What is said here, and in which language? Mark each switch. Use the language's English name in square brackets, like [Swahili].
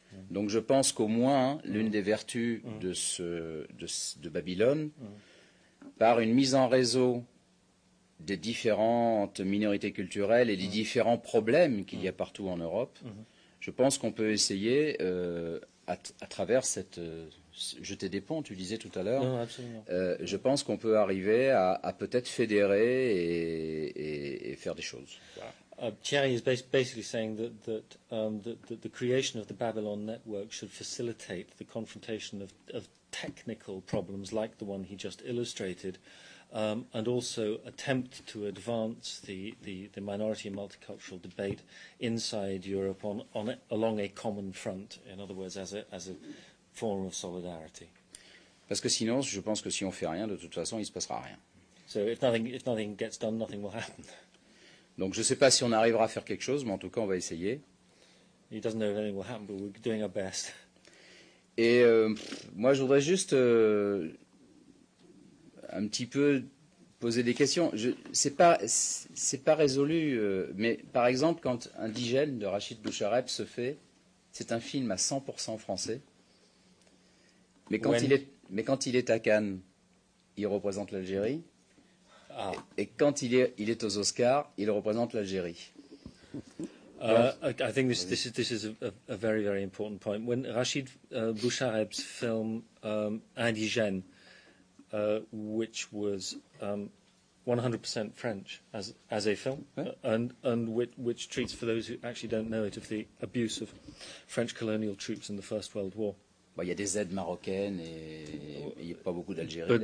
[French] Donc je pense qu'au moins, l'une des vertus de Babylone, par une mise en réseau des différentes minorités culturelles et des différents problèmes qu'il y a partout en Europe, je pense qu'on peut essayer, à travers cette... jeter des ponts, tu disais tout à l'heure. Non, absolument. Je pense qu'on peut arriver à peut-être fédérer et faire des choses. Voilà. [English] Thierry is basically saying that the creation of the Babylon network should facilitate the confrontation of technical problems like the one he just illustrated, and also attempt to advance the minority and multicultural debate inside Europe along a common front. In other words, as a form of solidarity. [French] Parce que sinon, je pense que si on fait rien, de toute façon, il se passera rien. [English] So if nothing gets done, nothing will happen. [French] Donc je ne sais pas si on arrivera à faire quelque chose, mais en tout cas, on va essayer. [English] He doesn't know if anything will happen, but we're doing our best. [French] Et moi, je voudrais juste un petit peu poser des questions. Ce n'est pas résolu, mais par exemple, quand Indigène de Rachid Bouchareb se fait, c'est un film à 100% français. Mais quand il est à Cannes, il représente l'Algérie. Ah. Et quand il est aux Oscars, il représente l'Algérie. [English] I think this is a very very important point. When Rachid Bouchareb's film Indigène, which was 100% French as a film, and which treats, for those who actually don't know it, of the abuse of French colonial troops in the First World War. [French] Bon, il y a des aides marocaines et il n'y a pas beaucoup d'Algérie.